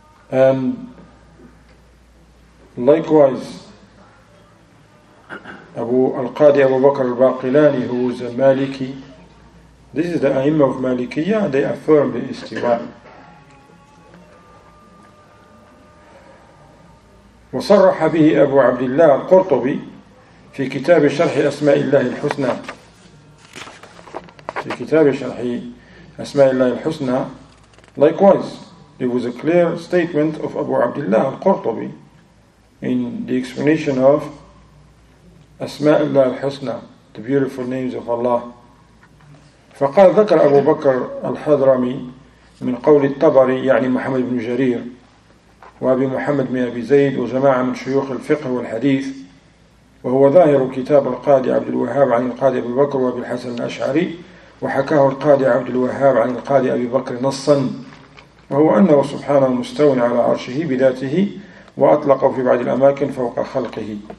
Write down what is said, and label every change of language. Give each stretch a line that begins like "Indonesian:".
English: And likewise Abu Al-Qadi Abu Bakr al-Baqilani, who is a Maliki, this is the A'imma of Malikiyya, and they affirm the istiwa.
Arabic: وصرح به أبو عبد الله القرطبي في كتاب شرح أسماء الله الحسنى. في كتاب شرح أسماء الله الحسنى
English: likewise it was a clear statement of Abu Abdullah al-Qurtubi in the explanation of أسماء الله الحسنى, the beautiful names of Allah.
Arabic: فقال ذكر أبو بكر الحضرمي من قول الطبري يعني محمد بن جرير وأبي محمد بن أبي زيد وجماعة من شيوخ الفقه والحديث, وهو ظاهر كتاب القاضي عبد الوهاب عن القاضي أبي بكر وأبي الحسن الأشعري, وحكاه القاضي عبد الوهاب عن القاضي أبي بكر نصا, وهو أنه سبحانه مستوى على عرشه بذاته وأطلق في بعض الأماكن فوق خلقه.